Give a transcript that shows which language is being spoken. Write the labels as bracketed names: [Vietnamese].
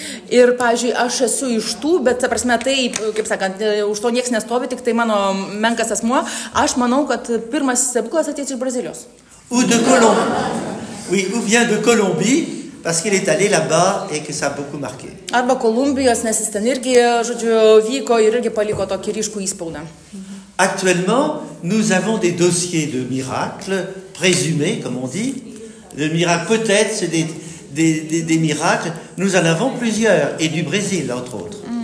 [Lithuanian] Ir, pavyzdžiui, aš esu iš tų, bet, ta prasme, tai, kaip sakant, už to nieks nestovi, tik tai mano menkas asmuo. Aš manau, kad pirmas stebuklas ateis iš Brazilijos. [French] Ou de Colombie. Oui, ou vient de Colombie, parce qu'il est allé là-bas et que ça a beaucoup marqué. [Lithuanian] Arba Kolumbijos, nes jis ten irgi, žodžiu, vyko ir irgi paliko tokį ryškų įspaudą. [French] Actuellement, nous avons des dossiers de miracles, présumés, comme on dit. Le miracle, peut-être, c'est des miracles. Nous en avons plusieurs, et du Brésil, entre autres.